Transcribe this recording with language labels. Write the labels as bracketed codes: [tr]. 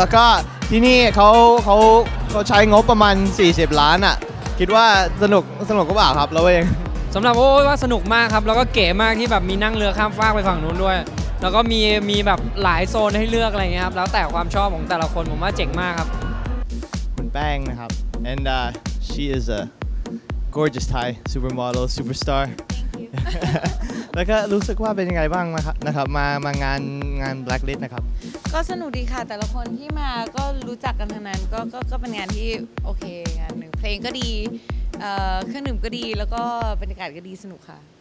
[th] นะครับก็รู้สึกดีใจครับก็ได้มางานแบบคูลๆแบบนี้ฮะแล้วก็มีเรียกว่าเซเลบมีแต่ผู้ใหญ่ในวงการบันเทิงมากันเพียบเลยครับครับผมแล้วก็ที่นี่เค้าใช้งบประมาณ 40 ล้านอ่ะคิดว่าสนุกสนุกหรือเปล่าครับแล้วเองสําหรับโอ้ว่าสนุกมากครับแล้วก็เก๋มากที่แบบมีนั่งเรือข้ามฟากไปฝั่งนู้นด้วย แล้วก็มีแบบหลายโซนให้เลือกอะไรเงี้ยครับแล้วแต่ความชอบของแต่ละคนผมว่าเจ๋งมากครับคุณแป้งนะครับ [en] and she is a gorgeous Thai supermodel superstar thank you [th] แล้วก็รู้สึกว่าเป็นยังไงบ้างนะครับมางาน Blacklist นะครับก็สนุกดีค่ะแต่ละคนที่มาก็รู้จักกันทั้งนั้นก็เป็นงานที่โอเคงานนึงเพลงก็ดีเครื่องดื่มก็ดีแล้วก็บรรยากาศก็ดีสนุกค่ะ